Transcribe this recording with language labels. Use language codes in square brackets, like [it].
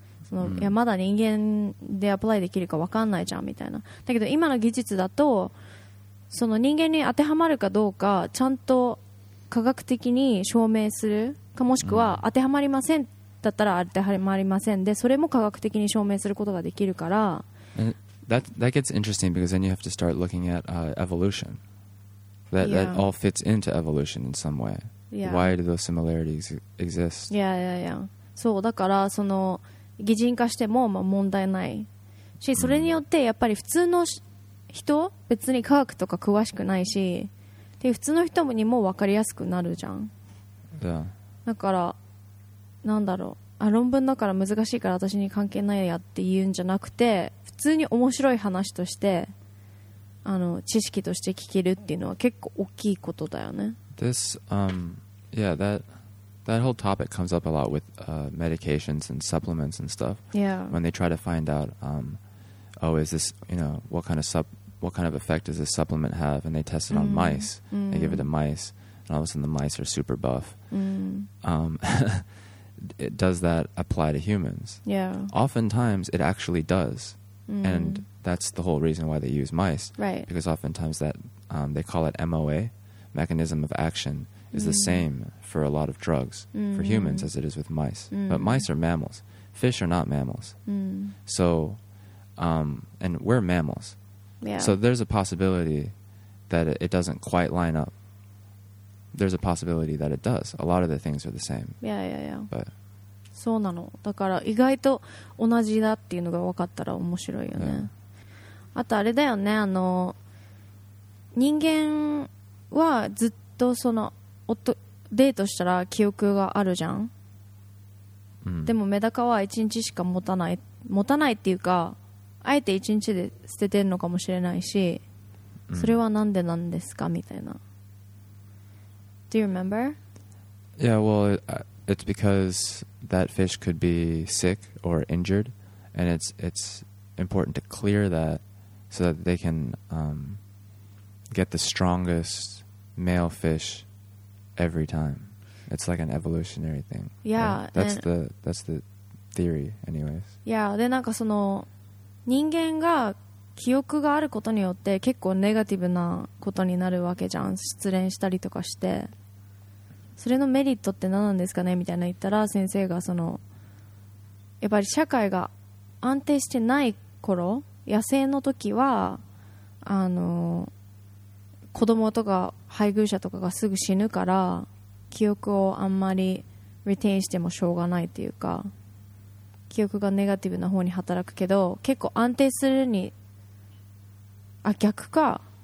[ja] その、うん、いやまだ人間でアプライできるか分かんないじゃんみたいな。だけど今の技術だとその人間に当てはまるかどうかちゃんと科学的に証明するか、もしくは当てはまりませんだったら当てはまりませんで、それも科学的に証明することができるから、 [en] that gets interesting because then you have to start looking at、evolution that,、 yeah. that all fits into evolution in some way、 yeah. why do those similarities exist? Yeah, yeah, yeah. [ja] そうだからその擬人化してもまあ問題ないし、それによってやっぱり普通の人別に科学とか詳しくないしで普通の人にも分かりやすくなるじゃん、 [en] yeah. [ja] だからなんだろう、あ論文だから難しいから私に関係ないやって言うんじゃなくて、普通に面白い話として知識として聞けるっていうのは結構大きいことだよね。 [en] This, yeah, that whole topic comes up a lot with、medications and supplements and stuff、 yeah. when they try to find out、oh, is this, you know, what kind of what kind of effect does this supplement have? And they test it on mice. They give it to mice, and all of a sudden the mice are super buff. does that apply to humans? Yeah. Oftentimes it actually does. And that's the whole reason why they use mice. Right. Because oftentimes that they call it MOA, mechanism of action, is the same for a lot of drugs for humans as it is with mice. But mice are mammals. Fish are not mammals. So, and we're mammals. Yeah. So there's a possibility that it doesn't quite line up. There's a possibility that it does. A lot of the things are the same. Yeah. But [ja] そうなの。だから意外と同じだっていうのが分かったら面白いよね。あとあれだよね、あの人間はずっとそのデートしたら記憶があるじゃん。でもメダカは1日しか持たない、持たないっていうか、あえて1日で捨ててるのかもしれないし、それはなんでなんですかみたいな。 [en] Do you remember? Yeah, well, it's because that fish could be sick or injured, and it's important to clear that so that they can get the strongest male fish every time. It's like an evolutionary thing. Yeah, that's the theory, anyways. [ja] Yeah, でなんかその人間が記憶があることによって結構ネガティブなことになるわけじゃん。失恋したりとかして。それのメリットって何なんですかねみたいな言ったら、先生がそのやっぱり社会が安定してない頃、野生の時は子供とか配偶者とかがすぐ死ぬから、記憶をあんまりリテインしてもしょうがないっていうか、記憶がネガティブな方に働くけど、結構安定するに、あ、逆か。